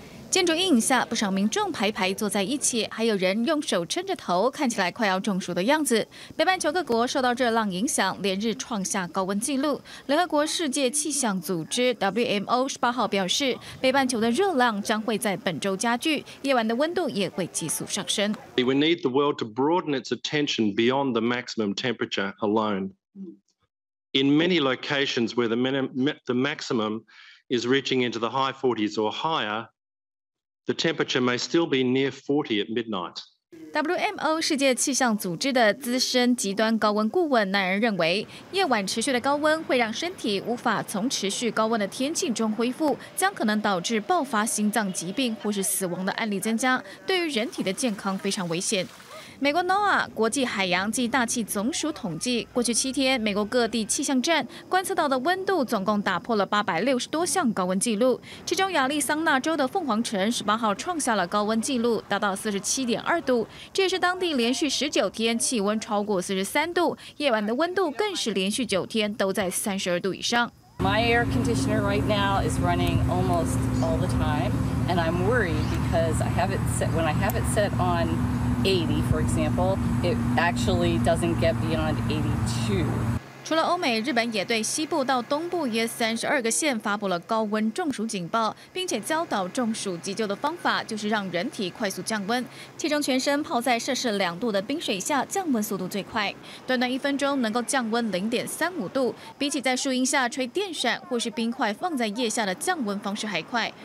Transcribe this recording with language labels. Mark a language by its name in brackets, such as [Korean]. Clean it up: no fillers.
[Chinese] 建筑阴影下，不少民众排排坐在一起，还有人用手撑着头，看起来快要中暑的样子。北半球各国受到热浪影响，连日创下高温纪录。联合国世界气象组织 WMO 18号表示，北半球的热浪将会在本周加剧，夜晚的温度也会急速上升。 [English] We need the world to broaden its attention beyond the maximum temperature alone. In many locations where the maximum is reaching into the high 40s or higher. The temperature may still be near 40 at midnight. [Chinese] WMO 世界气象组织的资深极端高温顾问奈恩认为，夜晚持续的高温会让身体无法从持续高温的天气中恢复，将可能导致爆发心脏疾病或是死亡的案例增加，对于人体的健康非常危险。美国 NOAA 国际海洋暨大气总署统计，过去七天，美国各地气象站观测到的温度总共打破了860多项高温纪录。其中，亚利桑那州的凤凰城18号创下了高温纪录，达到 47.2 度，这也是当地连续19天气温超过43度，夜晚的温度更是连续9天都在32度以上。 [English] My air conditioner right now is running almost all the time, and I'm worried because when I have it set on 80, for example, it actually doesn't get beyond 82. [Chinese] 除了欧美，日本也对西部到东部约32个县发布了高温中暑警报，并且教导中暑急救的方法就是让人体快速降温，其中全身泡在摄氏两度的冰水下降温速度最快，短短一分钟能够降温 0.35 度，比起在树荫下吹电扇或是冰块放在腋下的降温方式还快。